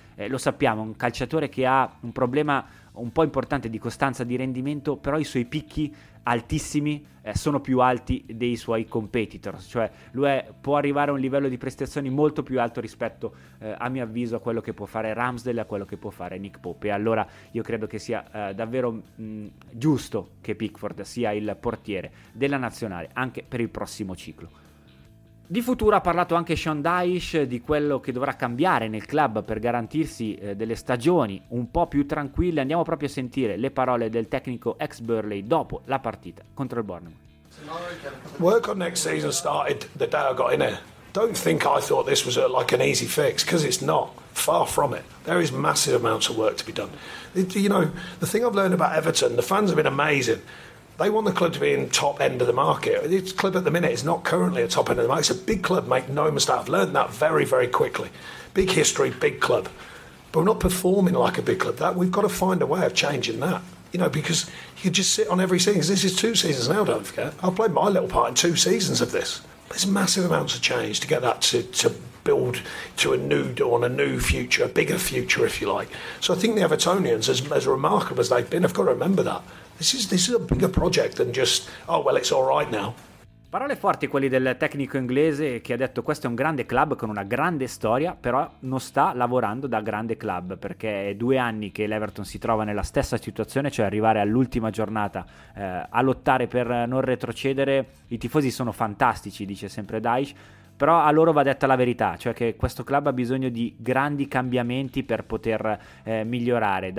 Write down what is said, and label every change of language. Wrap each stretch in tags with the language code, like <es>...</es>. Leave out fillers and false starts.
<it>Lo sappiamo, un calciatore che ha un problema un po' importante di costanza di rendimento, però i suoi picchi altissimi sono più alti dei suoi competitor, cioè lui può arrivare a un livello di prestazioni molto più alto rispetto a mio avviso a quello che può fare Ramsdale, a quello che può fare Nick Pope. E allora io credo che sia davvero giusto che Pickford sia il portiere della nazionale anche per il prossimo ciclo. Di futuro ha parlato anche Sean Dyche di quello che dovrà cambiare nel club per garantirsi delle stagioni un po' più tranquille. Andiamo proprio a sentire le parole del tecnico ex Burnley dopo la partita contro il Bournemouth.</it> <en>Work on next season started the day I got in here. Don't think I thought this was like an easy fix, because it's not. Far from it. There is massive amounts of work to be done. You know, the thing I've learned about Everton, the fans have been amazing. They want the club to be in top end of the market. This club at the minute is not currently a top end of the market. It's a big club, make no mistake. I've learned that very, very quickly. Big history, big club. But we're not performing like a big club. That we've got to find a way of changing that. You know, because you just sit on every season. This is 2 seasons now, don't forget. I've played my little part in 2 seasons of this. There's massive amounts of change to get that to build to a new dawn, a new future, a bigger future, if you like. So I think the Evertonians, as remarkable as they've been, I've got to remember that. This is a bigger project than just, oh, well, it's all right now.</en> <it>Parole forti quelli del tecnico inglese che ha detto questo è un grande club con una grande storia, però non sta lavorando da grande club, perché è due anni che l'Everton si trova nella stessa situazione, cioè arrivare all'ultima giornata a lottare per non retrocedere. I tifosi sono fantastici, dice sempre Dyche, però a loro va detta la verità, cioè che questo club ha bisogno di grandi cambiamenti per poter migliorare.</it>